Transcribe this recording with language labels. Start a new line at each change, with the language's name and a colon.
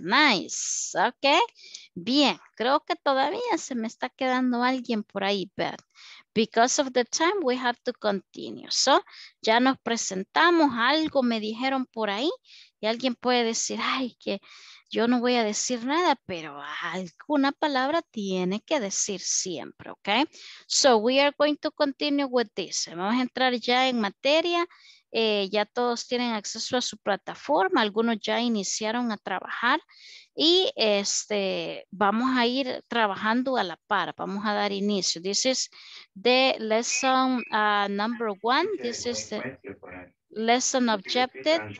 English: Nice, okay.
Spanish: Bien, creo que todavía se me está quedando alguien por ahí,
English: but because of the time, we have to continue.
Spanish: So, ya nos presentamos, algo me dijeron por ahí, y alguien puede decir, ay, que yo no voy a decir nada, pero alguna palabra tiene que decir siempre, okay.
English: So, we are going to continue with this.
Spanish: Vamos a entrar ya en materia. Ya todos tienen acceso a su plataforma, algunos ya iniciaron a trabajar y vamos a ir trabajando a la par, vamos a dar inicio.
English: This is the lesson number one, this is the lesson objective.